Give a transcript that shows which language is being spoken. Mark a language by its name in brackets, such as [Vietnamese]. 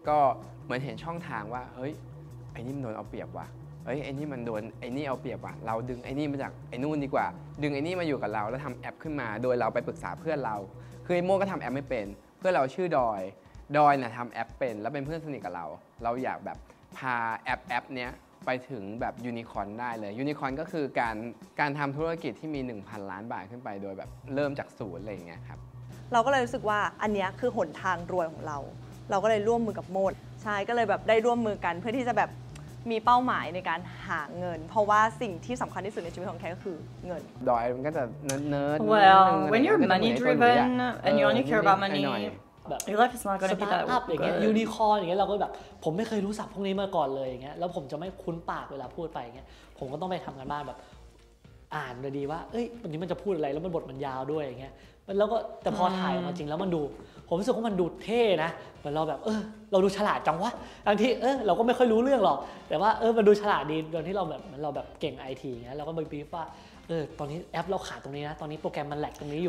[Thai] ก็เหมือนเห็นช่องทางว่าเฮ้ยไอ้นี่มันโดนเอาเปรียบว่ะเฮ้ยไอ้นี่มันโดนไอ้นี่เอาเปรียบว่ะเราดึงไอ้นี่มาจากไอ้นู่นดีกว่าดึงไอ้นี่มาอยู่กับเราแล้วทำแอปขึ้นมาโดยเราไปปรึกษาเพื่อนเราคือไอ้โม่ก็ทำแอปไม่เป็นเพื่อนเราชื่อดอยเนี่ยทำแอปเป็นแล้วเป็นเพื่อนสนิทกับเราเราอยากแบบพาแอปเนี้ยไปถึงแบบยูนิคอร์นได้เลยยูนิคอร์นก็คือการทำธุรกิจที่มี 1,000 ล้านบาทขึ้นไปโดยแบบเริ่มจากศูนย์อะไรอย่างเงี้ยครับ เราก็เลยรู้สึกว่าอันนี้คือหนทางรวยของเราเราก็เลยร่วมมือกับโมดใช่ก็เลยแบบได้ร่วมมือกันเพื่อที่จะแบบมีเป้าหมายในการหาเงินเพราะว่าสิ่งที่สำคัญที่สุดในชีวิตของแคก็คือเงิน ดอยมันก็จะเนิร์ด [English] Well when you're money driven and you only care about money your life is not going to be that good [Thai] อย่างเงี้ยยูนิคอร์นอย่างเงี้ยเราก็แบบผมไม่เคยรู้ศัพท์พวกนี้มาก่อนเลยอย่างเงี้ยแล้วผมจะไม่คุ้นปากเวลาพูดไปเงี้ยผมก็ต้องไปทำกันบ้านแบบอ่านดีว่าเอ้ยวันนี้มันจะพูดอะไรแล้วมันบทมันยาวด้วยอย่างเงี้ยแล้วก็แต่พอถ่ายออกมาจริงแล้วมันดูผมรู้สึกว่ามันดูเท่นะเหมือนเราแบบเราดูฉลาดจังวะบางทีเราก็ไม่ค่อยรู้เรื่องหรอกแต่ว่ามันดูฉลาดดีตอนที่เราแบบเก่ง IT เงี้ยเราก็ไปบีฟว่าตอนนี้แอปเราขาดตรงนี้นะตอนนี้โปรแกรมมันแลกตรงนี้อยู